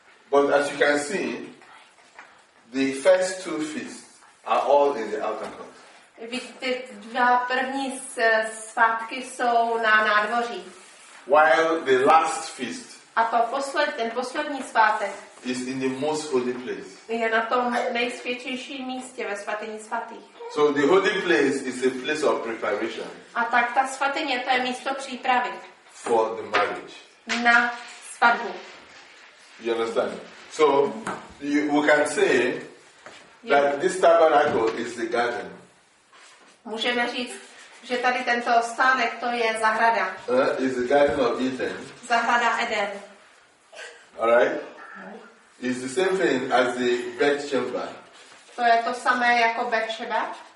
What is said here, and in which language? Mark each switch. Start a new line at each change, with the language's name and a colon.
English: But as you can see, the first two feasts are all in the outer court.
Czech: Víte, dva první svátky jsou na nádvoří.
English: While the last feast.
Czech: A to poslední, ten poslední svátek.
English: Is in the most holy place.
Czech: Je na tom nejsvětějším místě ve svatyni svatých.
English: So the holy place is a place of preparation.
Czech: A tak ta svatyně, to je místo přípravy.
English: For the marriage.
Czech: Na svatbu.
English: You understand? So we can say that this tabernacle is the garden.
Czech: Můžeme říct, že tady tento stánek, to je zahrada.
English: Is the Garden of Eden.
Czech: Zahrada Eden.
English: All right? It's the same thing as the Bet-Sheba.
Czech: To je to samé jako Bet-Sheba.